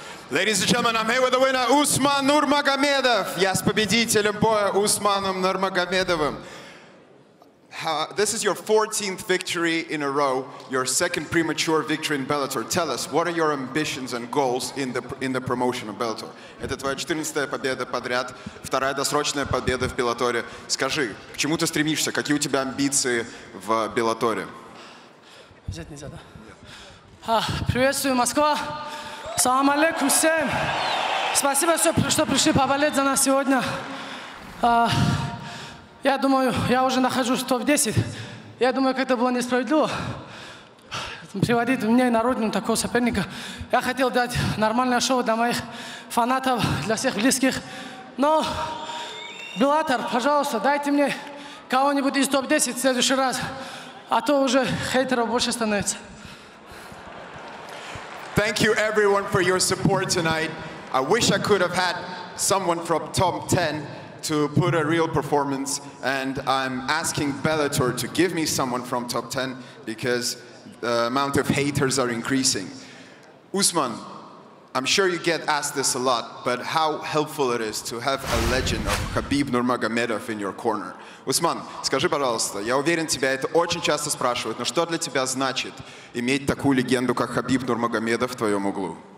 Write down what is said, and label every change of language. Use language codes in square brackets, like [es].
[en] Ladies and gentlemen, I'm here with the winner, Usman Nurmagomedov. [ru] Я с победителем боя Усманом Нурмагомедовым. [en] This is your 14th victory in a row, your second premature victory in Bellator. Tell us, what are your ambitions and goals in the promotion of Bellator? [ru] Это твоя 14-я победа подряд, вторая досрочная победа в Беллаторе. Скажи, к чему ты стремишься? Какие у тебя амбиции в Беллаторе? Взять не за, да? Приветствую, Москва. Салам алейкум всем. Спасибо, что пришли поболеть за нас сегодня. Я думаю, я уже нахожусь в топ-10. Я думаю, как это было несправедливо приводить мне и народу такого соперника. Я хотел дать нормальное шоу для моих фанатов, для всех близких. Но, Беллатор, пожалуйста, дайте мне кого-нибудь из топ-10 в следующий раз. А то уже хейтеров больше становится. [en] Thank you everyone for your support tonight. I wish I could have had someone from top 10 to put a real performance, and I'm asking Bellator to give me someone from top 10 because the amount of haters are increasing. Usman, I'm sure you get asked this a lot, but how helpful it is to have a legend of Khabib Nurmagomedov in your corner. [ru] Usman, скажи, пожалуйста, я уверен, тебя это очень часто спрашивают, но что для тебя значит иметь такую легенду, как Khabib Nurmagomedov в твоем углу?